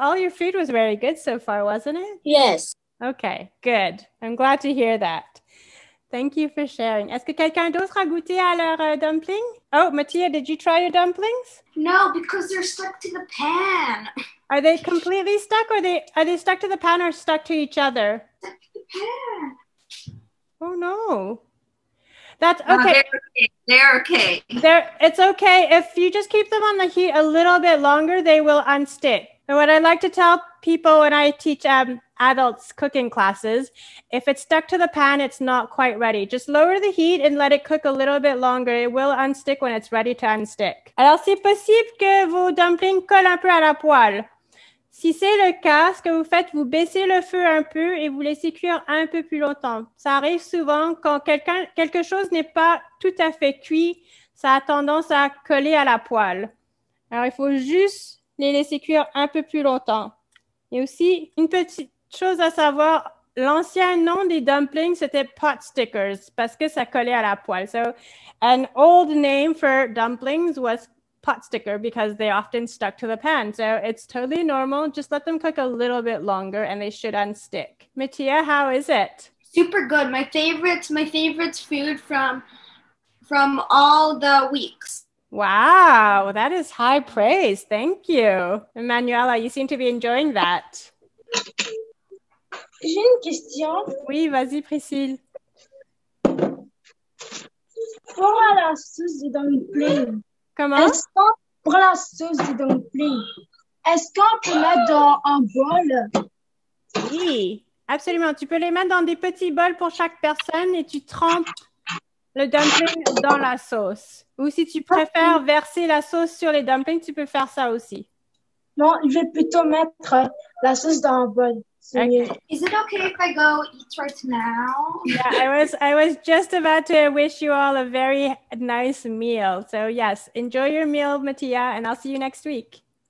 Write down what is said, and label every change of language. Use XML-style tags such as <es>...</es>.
<en>All your food was very good so far, wasn't it? Yes. Okay, good. I'm glad to hear that. Thank you for sharing.</en> <fr>Est-ce que quelqu'un d'autre a goûté à leur dumpling?</fr> <en>Oh, Mattia, did you try your dumplings? No, because they're stuck to the pan. Are they completely stuck, or are they stuck to the pan or stuck to each other? Stuck to the pan. Oh, no. That's okay. They're okay. It's okay. If you just keep them on the heat a little bit longer, they will unstick. And what I like to tell people when I teach adults cooking classes, if it's stuck to the pan, it's not quite ready. Just lower the heat and let it cook a little bit longer. It will unstick when it's ready to unstick.</en> <fr>Alors, c'est possible que vos dumplings collent un peu à la poêle. Si c'est le cas, ce que vous faites, vous baissez le feu un peu et vous laissez cuire un peu plus longtemps. Ça arrive souvent quand quelque chose n'est pas tout à fait cuit, ça a tendance à coller à la poêle. Alors, il faut juste les laisser cuire un peu plus longtemps. Et aussi, une petite chose à savoir, l'ancien nom des dumplings, c'était pot stickers, parce que ça collait à la poêle.</fr> <en>So, an old name for dumplings was pot sticker because they often stuck to the pan. So, it's totally normal. Just let them cook a little bit longer and they should unstick. Mattia, how is it? Super good. My favorite food from all the weeks. Wow, that is high praise. Thank you. Emanuela, you seem to be enjoying that.</en> <fr>J'ai une question. Oui, vas-y, Priscille. Pour la sauce de dumpling. Comment? Est-ce qu'on prend la sauce de dumpling? Est-ce qu'on peut mettre dans un bol? Oui, absolument. Tu peux les mettre dans des petits bols pour chaque personne et tu trempes le dumpling dans la sauce. Ou si tu préfères verser la sauce sur les dumplings, tu peux faire ça aussi. Non, je vais plutôt mettre la sauce dans un bol.</fr> <en>Is it okay if I go eat right now? Yeah, I was just about to wish you all a very nice meal. So yes, enjoy your meal, Mattia, and I'll see you next week.</en>